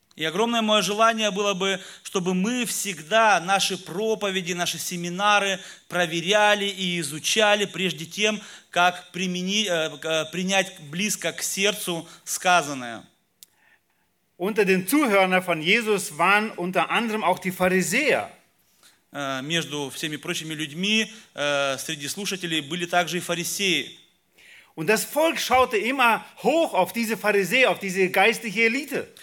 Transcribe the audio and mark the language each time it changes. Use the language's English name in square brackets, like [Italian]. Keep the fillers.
[Russian] И огромное мое желание было бы, чтобы мы всегда наши проповеди, наши семинары проверяли и изучали, прежде тем, как принять близко к сердцу сказанное. [German] Unter den Zuhörern von Jesus waren unter anderem auch die Pharisäer. [Russian] Äh, между всеми прочими людьми äh, среди слушателей были также и фарисеи. [German] Und das Volk schaute immer hoch auf diese Pharisäer, auf diese geistliche Elite.